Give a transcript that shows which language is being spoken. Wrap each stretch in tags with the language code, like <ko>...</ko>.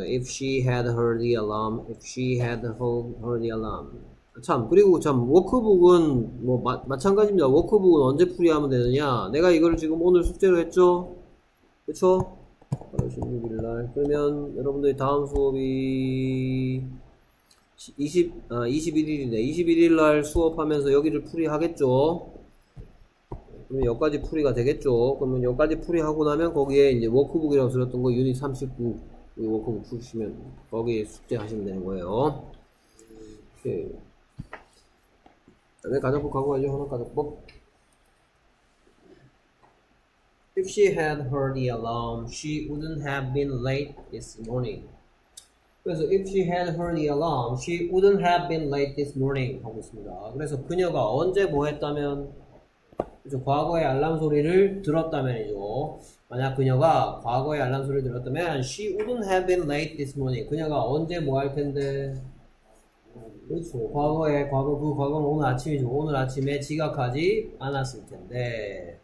<en>If she had heard the alarm, if she had heard the alarm.</en> <ko>참 그리고 참 워크북은 뭐 마찬가지입니다. 워크북은 언제 풀이하면 되느냐? 내가 이걸 지금 오늘 숙제로 했죠. 그렇죠? 16일날. 그러면 여러분들이 다음 수업이 21일이네. 21일날 수업하면서 여기를 풀이하겠죠. 그러면 여기까지 풀이가 되겠죠. 그러면 여기까지 풀이하고 나면 거기에 이제 워크북이라고 들었던 거 유닛 39 워크북 풀으시면 거기에 숙제하시면 되는 거예요. 오케이. 그다음에 가정법 가고 가죠. 혼합 가정법.</ko> <en>If she had heard the alarm, she wouldn't have been late this morning. 그래서 if she had heard the alarm, she wouldn't have been late this morning</en> <ko>하고 있습니다. 그래서 그녀가 언제 뭐 했다면 과거의 알람 소리를 들었다면이죠. 만약 그녀가 과거의 알람 소리를 들었다면,</ko> <en>she wouldn't have been late this morning.</en> <ko>그녀가 언제 뭐할 텐데? 그렇죠. 과거에, 과거, 그 과거는 오늘 아침이죠. 오늘 아침에 지각하지 않았을 텐데.</ko>